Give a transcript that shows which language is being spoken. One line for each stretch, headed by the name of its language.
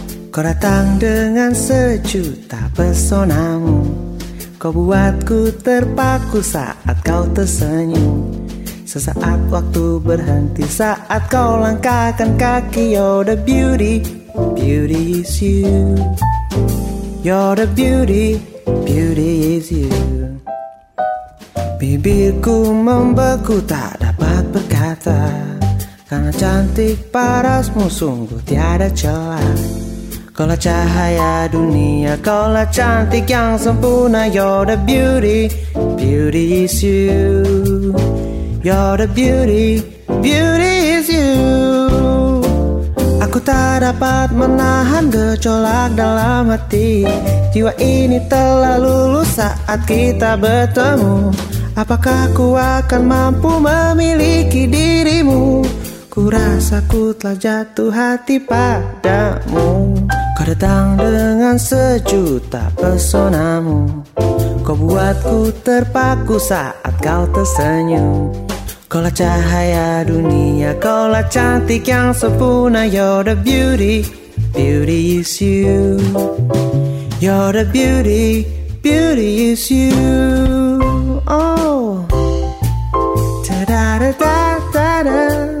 Indonesian: Kau datang dengan sejuta pesonamu, kau buatku terpaku saat kau tersenyum. Sesaat waktu berhenti saat kau langkahkan kaki.
English: You're the beauty, beauty is you. You're the beauty, beauty is you.
Indonesian: Bibirku membeku tak dapat berkata, karena cantik parasmu sungguh tiada celah. Kau lah cahaya dunia, kau lah cantik yang sempurna.
English: You're the beauty, beauty is you. You're the beauty, beauty is you.
Indonesian: Aku tak dapat menahan gejolak dalam hati. Jiwa ini telah luluh saat kita bertemu. Apakah ku akan mampu memiliki dirimu? Ku rasa ku telah jatuh hati padamu. Kau datang dengan sejuta pesonamu, kau buatku terpaku saat kau tersenyum. Kau lah cahaya dunia, kau lah cantik yang sempurna.
English: You're the beauty, beauty is you. You're the beauty, beauty is you. Oh, ta-da-da-da.